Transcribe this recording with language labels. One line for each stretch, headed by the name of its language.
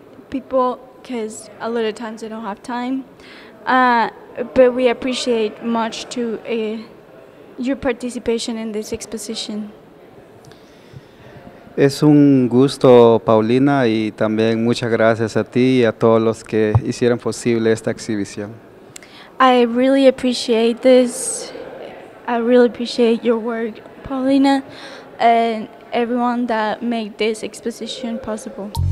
English: people because a lot of times they don't have time. But we appreciate much to your participation in this exposition.
Spanish: Es un gusto, Paulina, y también muchas gracias a ti y a todos los que hicieron posible esta exhibición.
English: I really appreciate this. I really appreciate your work, Paulina, and everyone that made this exposition possible.